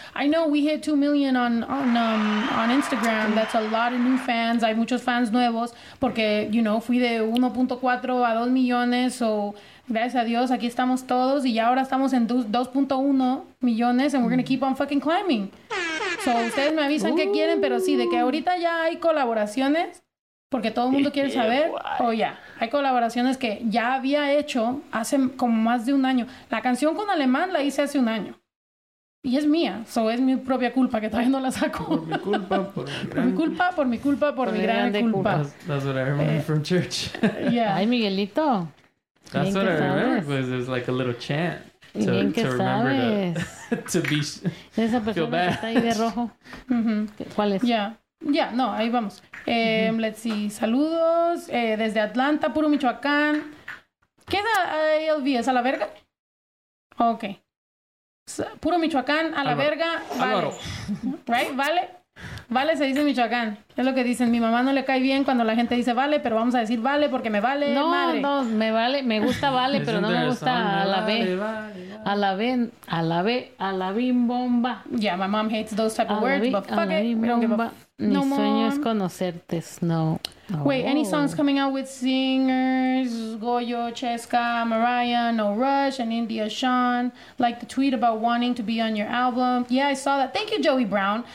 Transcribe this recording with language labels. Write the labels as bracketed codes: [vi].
[en] I know we hit 2 million on Instagram. That's a lot of new fans. [es] Hay muchos fans nuevos. Porque, [en] you know, [es] fui de 1.4 a 2 millones. So, gracias a Dios, aquí estamos todos. Y ya ahora estamos en 2.1 millones. [en] And we're going to keep on fucking climbing. [es] So, ustedes me avisan qué quieren. Pero sí, de que ahorita ya hay colaboraciones. Porque todo el mundo quiere saber. Hay colaboraciones que ya había hecho hace como más de un año. La canción con Alemán la hice hace un año. Y es mía. So es mi propia culpa que todavía no la saco. Por mi culpa. [en] That's what I remember from church. Yeah. [es] Ay, Miguelito. [en] That's what I remember because it's like a little chant. [es] Esa persona [en] feel bad. [es] Está ahí de rojo. Mm-hmm. ¿Cuál es? No, ahí vamos. Mm-hmm. [en] Let's see, [es] saludos desde Atlanta, puro Michoacán. ¿Qué es ALV? ¿Es a la verga? Ok. Puro Michoacán, a la verga, vale. Álvaro. Right, vale. Vale se dice en Michoacán. Es lo que dicen. Mi mamá no le cae bien cuando la gente dice vale, pero vamos a decir vale porque me vale. No, madre. No, me vale, me gusta vale, pero no me gusta a la bimbomba. [en] Yeah, my mom hates those type of words, but fuck it. [es] Mi sueño es conocerte, Snow. [en] Wait, any songs coming out with singers? Goyo, Cheska, Mariah, No Rush, and India Sean. Like the tweet about wanting to be on your album. Yeah, I saw that. Thank you, Joey Brown.